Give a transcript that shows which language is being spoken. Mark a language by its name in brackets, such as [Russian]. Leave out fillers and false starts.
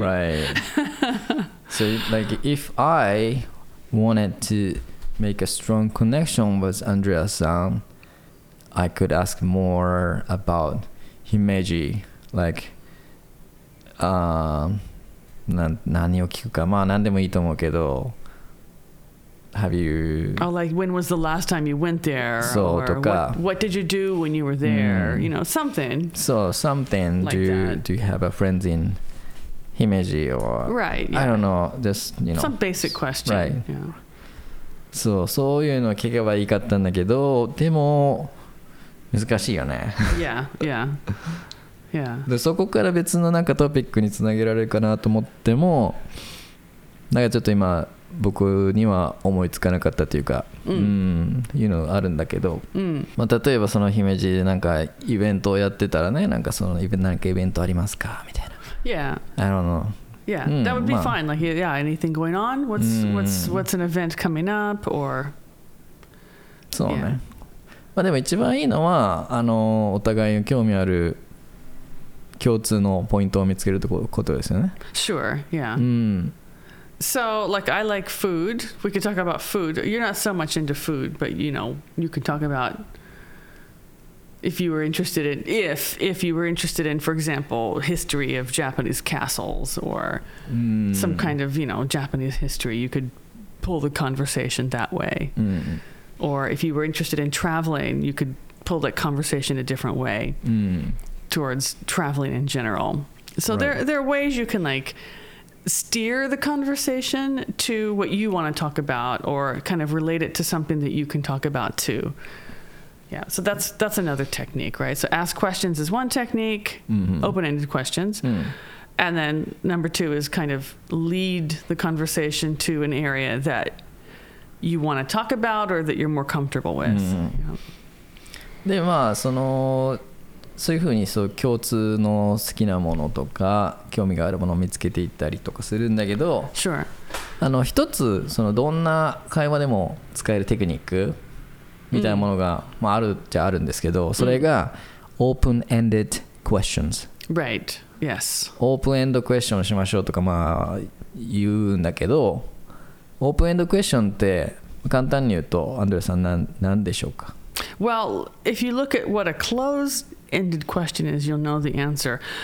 [English] Right. So, like, if I wanted to make a strong connection with Andrea-san, I could ask more about Himeji, like, [Japanese] nani wo kiku ka, maa nan demo ii to mou kedo. [English] Have you... Oh, like when was the last time you went there? So, or what did you do when you were there? Mm. You know, something. So, something. Like do you have a friend in Himeji or... Right, yeah. I don't know, just, you know. Some basic question. Right. Yeah. [Japanese] So, そういうの聞けばいいかったんだけど、でも難しいよね。 [English] Yeah. [Japanese] で、そこから別のなんかトピックにつなげられるかなと思っても、なんかちょっと今、僕には思いつかなかったというか、 mm. いうのあるんだけど、 mm. まあ、例えばその姫路でなんかイベントをやってたらね、なんかそのなんかイベントありますかみたいな。 [English] Yeah. I don't know. Yeah,、mm. that would be、まあ、fine. Like, yeah, anything going on? What's、mm. what's an event coming up? Or [Japanese] そうね。Yeah. まあでも一番いいのはあのお互いに興味ある共通のポイントを見つけるということですよね。 [English] Sure. Yeah. うん。 So, like, I like food. We could talk about food. You're not so much into food, but, you know, you could talk about if you were interested in, if you were interested in, for example, history of Japanese castles or、 mm. some kind of, you know, Japanese history, you could pull the conversation that way.、 Mm. Or if you were interested in traveling, you could pull that conversation a different way、 mm. towards traveling in general. So、right. there are ways you can, like... steer the conversation to what you want to talk about or kind of relate it to something that you can talk about too. Yeah, so that's another technique, right? So ask questions is one technique,、 mm-hmm. open-ended questions.、 Mm. And then number two is kind of lead the conversation to an area that you want to talk about or that you're more comfortable with.、 Mm-hmm. [Japanese] Yeah. で、まあ、その、そういうふうにそう共通の好きなものとか興味があるものを見つけていったりとかするんだけど、 [English] sure. [Japanese] あの一つそのどんな会話でも使えるテクニックみたいなものが、mm. まあ、あるっちゃあるんですけど、それが open-ended questions. [English] Right. Yes. [Japanese] Open-ended questions しましょうとか、まあ、言うんだけど、オープンエンドクエスチョンって簡単に言うとアンドレさん何でしょうか。 [English] Well, if you look at what a closed-ended question is, you'll know the answer.